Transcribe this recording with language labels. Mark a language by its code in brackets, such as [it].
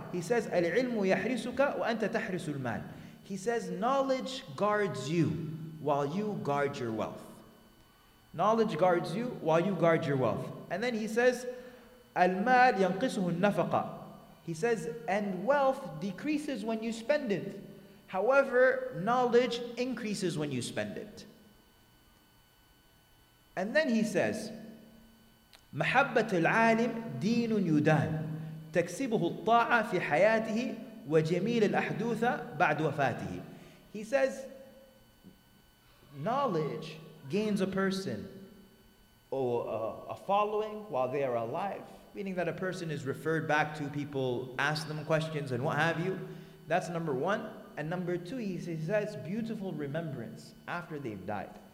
[en] He says, [ar] Al-ilmu yahrisuka wa anta tahrisu al-mal. [en] He says, knowledge guards you while you guard your wealth. Knowledge guards you while you guard your wealth. And then he says, [ar] Al-mal yanqisuhu al-nafaqa. [en] He says, and wealth decreases when you spend it. However, knowledge increases when you spend it. And then he says, [ar] محبت العالم دين يدان تكسبه الطاعة في حياته وجميل الأحدوث بعد وفاته. [en] He says, knowledge gains a person or a following while they are alive, meaning that a person is referred back to, people ask them questions and what have you. That's number one. And number two, he says, beautiful remembrance after they've died.